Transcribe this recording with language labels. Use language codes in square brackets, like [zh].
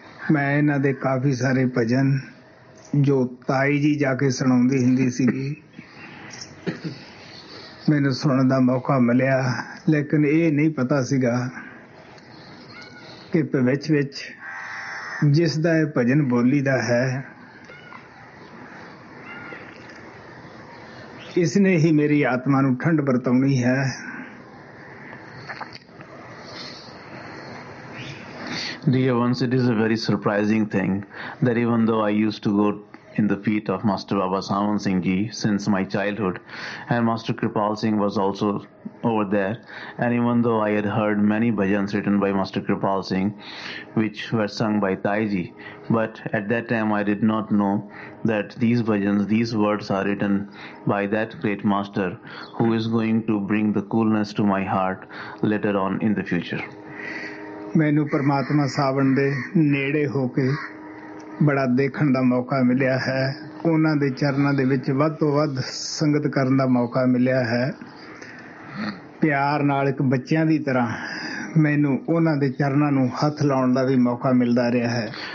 [pa] ਮੈਂ ਇਹਨਾਂ ਦੇ ਕਾਫੀ ਸਾਰੇ ਭਜਨ ਜੋ ਤਾਈ ਜੀ ਜਾ ਕੇ ਸੁਣਾਉਂਦੀ ਹੁੰਦੀ ਸੀਗੀ ਮੈਨੂੰ ਸੁਣਨ ਦਾ ਮੌਕਾ ਮਿਲਿਆ ਲੇਕਿਨ ਇਹ ਨਹੀਂ ਪਤਾ ਸੀਗਾ ਕਿ ਭਵਿੱਖ ਵਿੱਚ ਜਿਸ ਦਾ ਇਹ ਭਜਨ ਬੋਲੀ ਦਾ ਹੈ ਇਸਨੇ ਹੀ ਮੇਰੀ ਆਤਮਾ ਨੂੰ ਠੰਡ ਵਰਤਾਉਣੀ ਹੈ। [en] Dear ones, it is a very surprising thing that even though I used to go in the feet of Master Baba Sawant Singh Ji since my childhood, and Master Kirpal Singh was also over there, and even though I had heard many bhajans written by Master Kirpal Singh, which were sung by Tai Ji, but at that time I did not know that these bhajans, these words are written by that great master who is going to bring the coolness to my heart later on in the future. [pa] ਮੈਨੂੰ ਪਰਮਾਤਮਾ ਸਾਵਣ ਦੇ ਨੇੜੇ ਹੋ ਕੇ ਬੜਾ ਦੇਖਣ ਦਾ ਮੌਕਾ ਮਿਲਿਆ ਹੈ ਉਹਨਾਂ ਦੇ ਚਰਨਾਂ ਦੇ ਵਿੱਚ ਵੱਧ ਤੋਂ ਵੱਧ ਸੰਗਤ ਕਰਨ ਦਾ ਮੌਕਾ ਮਿਲਿਆ ਹੈ। ਪਿਆਰ ਨਾਲ ਇੱਕ ਬੱਚਿਆਂ ਦੀ ਤਰ੍ਹਾਂ ਮੈਨੂੰ ਉਹਨਾਂ ਦੇ ਚਰਨਾਂ ਨੂੰ ਹੱਥ ਲਾਉਣ ਦਾ ਵੀ ਮੌਕਾ ਮਿਲਦਾ ਰਿਹਾ ਹੈ।